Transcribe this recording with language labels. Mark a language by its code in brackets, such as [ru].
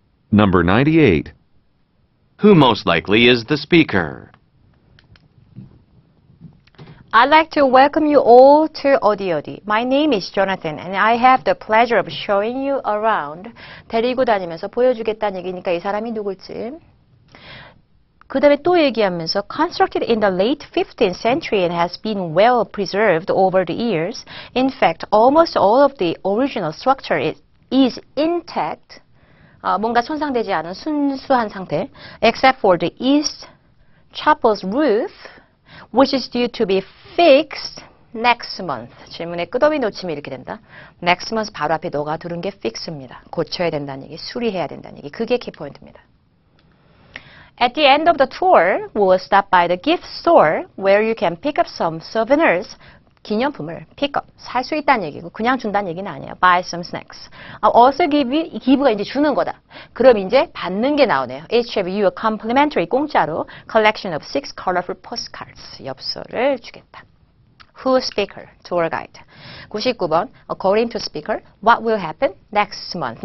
[en] Number 98. Who most likely is the speaker? I'd like to welcome you all to Odi. My name is Jonathan, and I have the pleasure of showing you around. [ko] 데리고 다니면서 보여주겠다는 얘기니까 이 사람이 누굴지. 그 다음에 또 얘기하면서, [en] constructed in the late 15th century and has been well preserved over the years. In fact, almost all of the original structure is intact. [ko] 뭔가 손상되지 않은 순수한 상태. [en] Except for the east chapel's roof, which is due to be fixed next month. [ko] 질문에 끄덕이 놓치면 이렇게 된다. Next month 바로 앞에 너가 두는 게 fix입니다. 고쳐야 된다는 얘기, 수리해야 된다는 얘기. 그게 키포인트입니다. [en] At the end of the tour, we'll stop by the gift store where you can pick up some souvenirs. [ko] 기념품을 pick up, 살 수 있다는 얘기고 그냥 준다는 얘기는 아니에요. [en] Buy some snacks. I'll also give you, [ko] 기부가 이제 주는 거다. 그럼 이제 받는 게 나오네요. [en] Each of you a complimentary, 공짜로 collection of 6 colorful postcards. [ko] 엽서를 주겠다. [en] Who speaker? Tour guide. [ko] 99번, [en] according to speaker, what will happen next month?